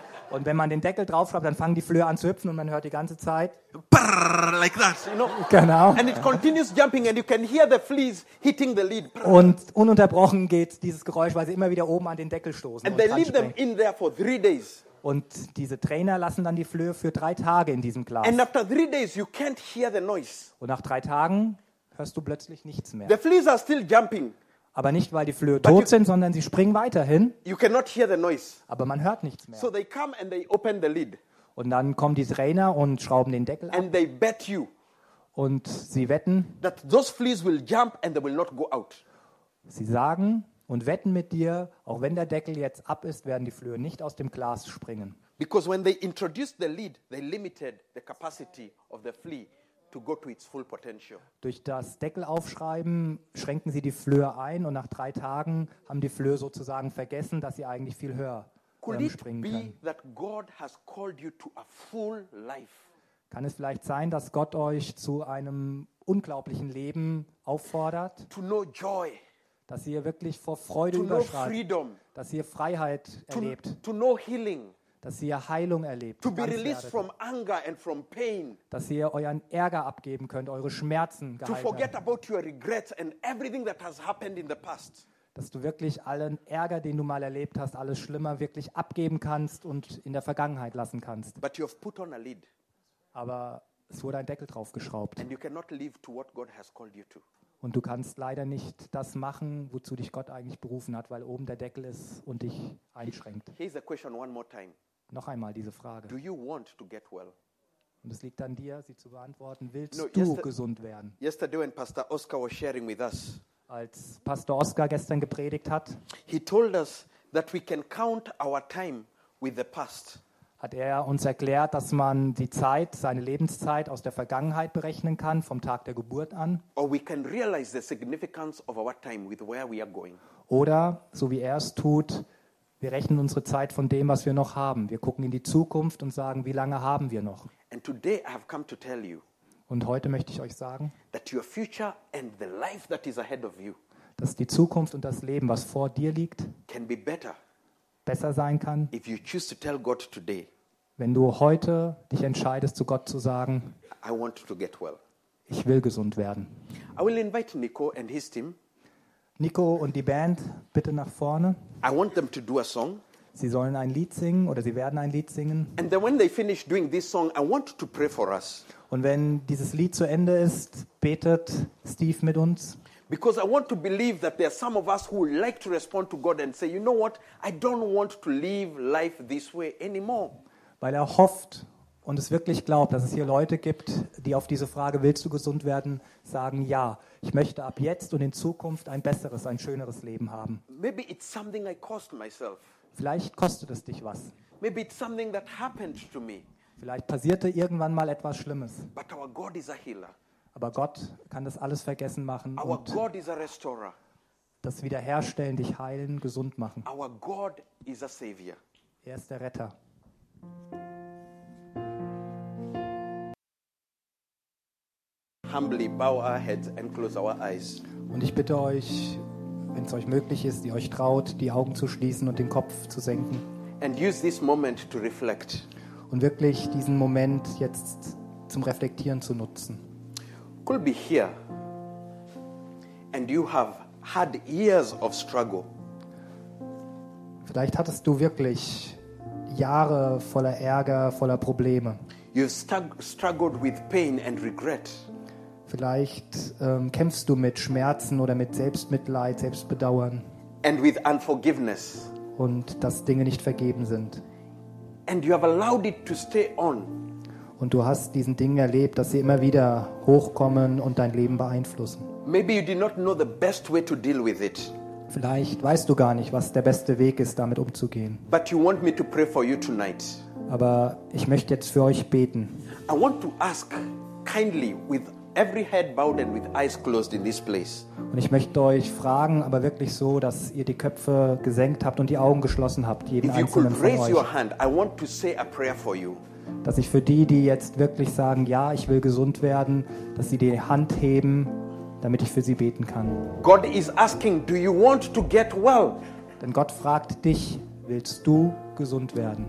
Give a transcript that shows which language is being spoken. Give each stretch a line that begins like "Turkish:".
German: und wenn man den Deckel draufschraubt, dann fangen die Flöhe an zu hüpfen und man hört die ganze Zeit
English: like that, you know?
German: Genau.
English: And it continues jumping and you can hear the fleas hitting the lid.
German: Und ununterbrochen geht dieses Geräusch, weil sie immer wieder oben an den Deckel stoßen.
English: And they leave them in there for 3 days.
German: Und diese Trainer lassen dann die Flöhe für 3 Tage in diesem Glas.
English: And after 3 days you can't hear the noise.
German: Und nach 3 Tagen hörst du plötzlich nichts mehr.
English: The fleas are still jumping.
German: Aber nicht, weil die Flöhe tot sind, sondern sie springen weiterhin.
English: You cannot hear the noise.
German: Aber man hört nichts mehr.
English: So they come and they open the lid.
German: Und dann kommen die Trainer und schrauben den Deckel
English: and
German: ab.
English: They bet you
German: und sie wetten,
English: that those fleas will jump and they will not go out.
German: Sie sagen und wetten mit dir, auch wenn der Deckel jetzt ab ist, werden die Flöhe nicht aus dem Glas springen.
English: Because when they introduced the lid, they limited the capacity of the flea to go to its full potential.
German: Durch das Deckelaufschreiben schränken sie die Flöhe ein und nach 3 Tagen haben die Flöhe sozusagen vergessen, dass sie eigentlich viel höher springen können.
English: Could it be that God has called you to a full life?
German: Kann es vielleicht sein, dass Gott euch zu einem unglaublichen Leben auffordert?
English: To know joy.
German: Dass ihr wirklich vor Freude überschreitet, dass ihr Freiheit erlebt, dass ihr Heilung erlebt,
English: to be released from anger and from pain.
German: Dass ihr euren Ärger abgeben könnt, eure Schmerzen geheilt werden,
English: to forget about your regrets and everything that has happened in the past.
German: dass du wirklich allen Ärger, den du mal erlebt hast, alles Schlimmer wirklich abgeben kannst und in der Vergangenheit lassen kannst.
English: But you have put on a lid.
German: Aber es wurde ein Deckel drauf geschraubt.
English: And you cannot live to what God has called you to.
German: Und du kannst leider nicht das machen, wozu dich Gott eigentlich berufen hat, weil oben der Deckel ist und dich einschränkt.
English: Here's a question one more time.
German: Noch einmal diese Frage.
English: Do you want to get well?
German: Und es liegt an dir, sie zu beantworten. Willst du gesund werden?
English: Yesterday when Pastor Oscar was sharing with us,
German: als Pastor Oscar gestern gepredigt hat,
English: he told us that we can count our time with the past.
German: Hat er uns erklärt, dass man die Zeit, seine Lebenszeit aus der Vergangenheit berechnen kann, vom Tag der Geburt an.
English: Or we can realize the significance of our time with where we are going.
German: Oder, so wie er es tut, wir rechnen unsere Zeit von dem, was wir noch haben. Wir gucken in die Zukunft und sagen, wie lange haben wir noch?
English: And today I have come to tell you,
German: und heute möchte ich euch sagen,
English: that your future and the life that is ahead of you,
German: dass die Zukunft und das Leben, was vor dir liegt,
English: can be better,
German: besser sein kann,
English: if you choose to tell God today,
German: wenn du heute dich entscheidest, zu Gott zu sagen,
English: I want to get well.
German: Ich will gesund werden.
English: I will invite Nico and his team.
German: Nico und die Band, bitte nach vorne.
English: I want them to do a song.
German: Sie sollen ein Lied singen oder sie werden ein Lied singen.
English: And then when they finish doing this song, I want to pray for us.
German: Und wenn dieses Lied zu Ende ist, betet Steve mit uns.
English: Because I want to believe that there are some of us who would like to respond to God and say, you know what? I don't want to live life this way anymore.
German: Weil er hofft und es wirklich glaubt, dass es hier Leute gibt, die auf diese Frage, willst du gesund werden, sagen ja. Ich möchte ab jetzt und in Zukunft ein besseres, ein schöneres Leben haben.
English: Maybe it's something I cost myself.
German: Vielleicht kostet es dich was.
English: Maybe it's something that happened to me.
German: Vielleicht passierte irgendwann mal etwas Schlimmes.
English: But our God is a healer.
German: Aber Gott kann das alles vergessen machen.
English: Our God is a restorer.
German: Das Wiederherstellen, dich heilen, gesund machen.
English: Our God is a savior.
German: Er ist der Retter.
English: Humbly bow our heads and close our eyes.
German: Und ich bitte euch, wenn es euch möglich ist, die euch traut, die Augen zu schließen und den Kopf zu senken.
English: And use this moment to reflect.
German: Und wirklich diesen Moment jetzt zum Reflektieren zu nutzen.
English: Could be here. And you have had years of struggle.
German: Vielleicht hattest du wirklich Jahre voller Ärger, voller Probleme.
English: You've struggled with pain and regret.
German: Vielleicht kämpfst du mit Schmerzen oder mit Selbstmitleid, Selbstbedauern.
English: And with unforgiveness.
German: Und dass Dinge nicht vergeben sind.
English: And you have allowed it to stay on.
German: Und du hast diesen Dingen erlebt, dass sie immer wieder hochkommen und dein Leben beeinflussen.
English: Maybe you did not know the best way to deal with it.
German: Vielleicht weißt du gar nicht, was der beste Weg ist, damit umzugehen.
English: But you want me to pray for you tonight.
German: Aber ich möchte jetzt für euch beten.
English: I want to ask kindly with every head bowed and with eyes closed in this place.
German: Und ich möchte euch fragen, aber wirklich so, dass ihr die Köpfe gesenkt habt und die Augen geschlossen habt, jeden einzelnen von euch.
English: If you could raise your hand, I want to say a prayer for you.
German: Dass ich für die, die jetzt wirklich sagen, ja, ich will gesund werden, dass sie die Hand heben, damit ich für sie beten kann.
English: God is asking, do you want to get well?
German: Denn Gott fragt dich, willst du gesund werden?